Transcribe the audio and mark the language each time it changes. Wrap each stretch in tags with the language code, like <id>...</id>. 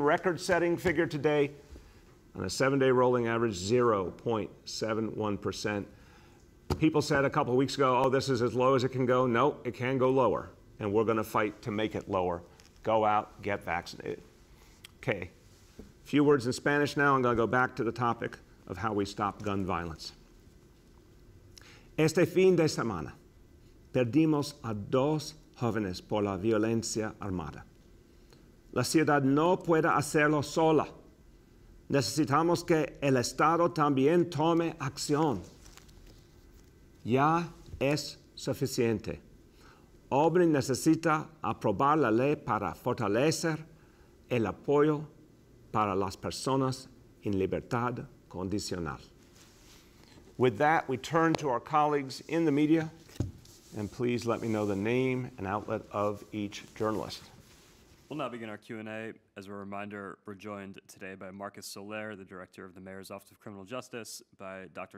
<en>Record-setting figure today on a 7-day rolling average, 0.71%. People said a couple weeks ago, oh, this is as low as it can go. No, it can go lower. And we're going to fight to make it lower. Go out, get vaccinated. Okay, a few words in Spanish now. I'm going to go back to the topic of how we stop gun violence.</en> <es>Este fin de semana, perdimos a dos jóvenes por la violencia armada. La ciudad no puede hacerlo sola. Necesitamos que el Estado también tome acción. Ya es suficiente. OBRI necesita aprobar la ley para fortalecer el apoyo para las personas en libertad condicional.</es> <en>With that, we turn to our colleagues in the media, and please let me know the name and outlet of each journalist. We'll now begin our Q&A. As a reminder, we're joined today by Marcus Soler, the director of the Mayor's Office of Criminal Justice, by Dr.</en>